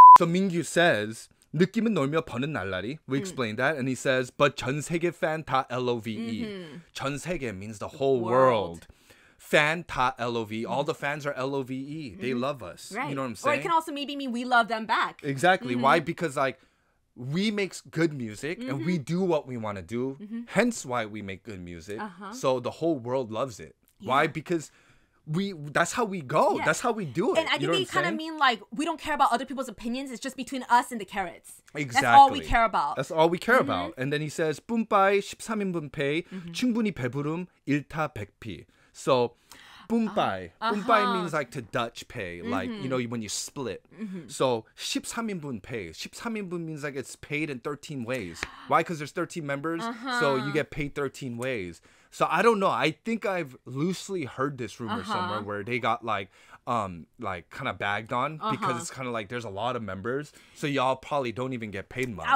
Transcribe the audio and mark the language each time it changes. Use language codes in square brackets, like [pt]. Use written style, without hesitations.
[en] So Mingyu says [ko] 느낌은 놀며 버는 날라리. [en] We explained that, and he says but [ko] 전 세계 [en] fan 다 love. 전 세계 means the whole world. Fan 다 love. All the fans are love. They love us. Right. You know what I'm saying? Or it can also maybe mean we love them back. Exactly. Why? Because like we make good music, and we do what we want to do. Mm-hmm. Hence why we make good music. Uh-huh. So the whole world loves it. Yeah. Why? Because that's how we go. Yeah. That's how we do it. And I think you know they kind of mean like we don't care about other people's opinions. It's just between us and the carrots. Exactly. That's all we care about. That's all we care about. And then he says, [ko] 뿜빠이 13인분 페이 충분히 배부름 일타 백피. [en] So 뿜빠이. 뿜빠이 means like to Dutch pay, like, you know, when you split. Mm-hmm. So 13인분 pay. 13인분 means like it's paid in 13 ways. Why? Because there's 13 members, so you get paid 13 ways. So I don't know. I think I've loosely heard this rumor somewhere where they got like kind of bagged on because it's kind of like there's a lot of members, so y'all probably don't even get paid much.